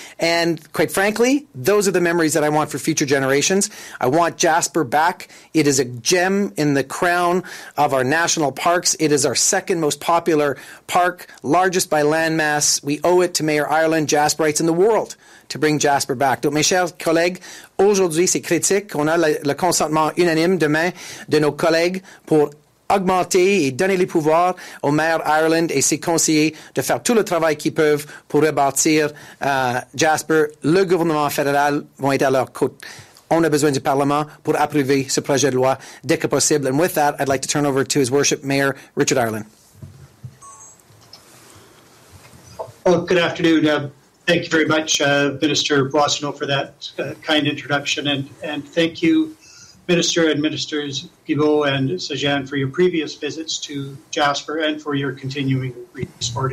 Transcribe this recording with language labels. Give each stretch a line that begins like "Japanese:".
English: And quite frankly, those are the memories that I want for future generations. I want Jasper back. It is a gem in the crown of our national parks. It is our second most popular park, largest by landmass. We owe it to Mayor Ireland, Jasperites, and the world to bring Jasper back.
French: Donc, mes chers collègues, aujourd'hui c'est critique. On a le consentement unanime demain de nos collègues pour augmenter et donner les pouvoirs au maire Ireland et ses conseillers de faire tout le travail qu'ils peuvent pour rebâtir Jasper. Le gouvernement fédéral va être à leur côté. On a besoin du Parlement pour approuver ce projet de loi dès que possible.
English: And with that, I'd like to turn over to His Worship Mayor Richard Ireland. Well, good afternoon. Thank you very much, Minister Boisseneau, for that kind introduction. And thank you, Minister and Ministers Guilbeault and Sajjan, for your previous visits to Jasper and for your continuing support.